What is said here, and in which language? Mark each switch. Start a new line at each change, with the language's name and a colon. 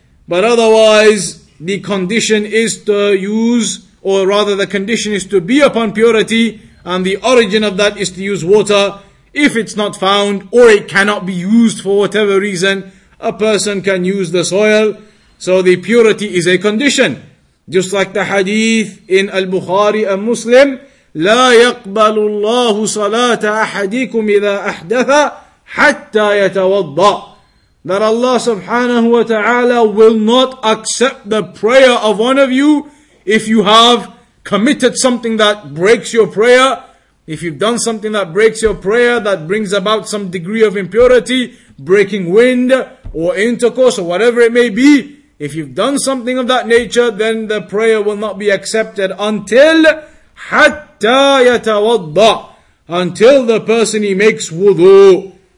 English: But otherwise, the condition is to use, or rather the condition is to be upon purity, and the origin of that is to use water. If it's not found, or it cannot be used for whatever reason, a person can use the soil. So the purity is a condition. Just like the hadith in Al-Bukhari and Muslim,
Arabic: لا يقبل الله صلاة أحدكم إذا أحدث حتى يتوضأ.
English: That Allah subhanahu wa ta'ala will not accept the prayer of one of you if you have committed something that breaks your prayer. If you've done something that breaks your prayer, that brings about some degree of impurity, breaking wind, or intercourse, or whatever it may be, if you've done something of that nature, then the prayer will not be accepted until
Arabic: حَتَّى يَتَوَضَّى,
English: until the person he makes wudu.